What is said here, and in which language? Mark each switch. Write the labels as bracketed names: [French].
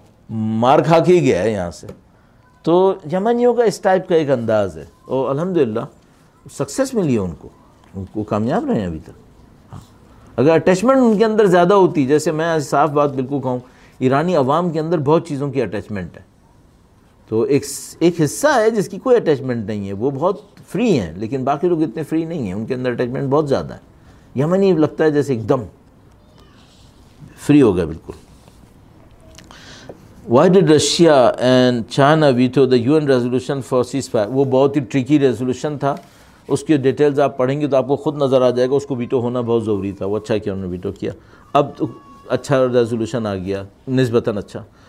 [Urdu] مار کھا کے ہی گیا ہے یہاں سے، تو یمنیوں کا اس ٹائپ کا ایک انداز ہے، اور الحمدللہ سکسیس ملی ہے ان کو، وہ کامیاب رہے ہیں ابھی تک، اگر اٹیچمنٹ ان کے اندر زیادہ ہوتی، جیسے میں صاف بات بالکل کہوں، ایرانی عوام کے اندر بہت چیزوں کی اٹیچمنٹ ہے، تو ایک حصہ ہے جس کی کوئی اٹیچمنٹ نہیں ہے، وہ بہت فری ہیں، لیکن باقی لوگ اتنے فری نہیں ہیں، ان کے اندر اٹیچمنٹ بہت زیادہ ہے، یمنی لگتا ہے جیسے ایک دم فری ہو گیا بالکل. [English] Why did Russia and China veto the UN resolution for ceasefire? [Urdu] وہ بہت ہی ٹرکی ریزولوشن تھا، اس کی ڈیٹیلز آپ پڑھیں گے تو آپ کو خود نظر آ جائے گا، اس کو ویٹو ہونا بہت ضروری تھا، وہ اچھا کیا انہوں نے ویٹو کیا، اب تو اچھا ریزولوشن آ گیا نسبتاً اچھا.